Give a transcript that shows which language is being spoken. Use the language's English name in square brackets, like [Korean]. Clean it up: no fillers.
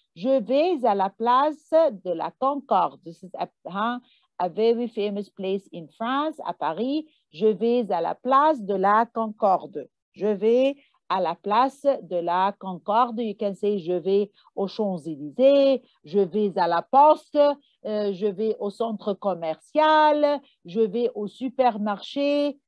[French] Je vais à la place de la Concorde. [English] This is a very famous place in France, à Paris. [French] Je vais à la place de la Concorde. Je vais à la place de la Concorde. [English] You can say [French] je vais aux Champs-Élysées, je vais à la poste, je vais au centre commercial, je vais au supermarché.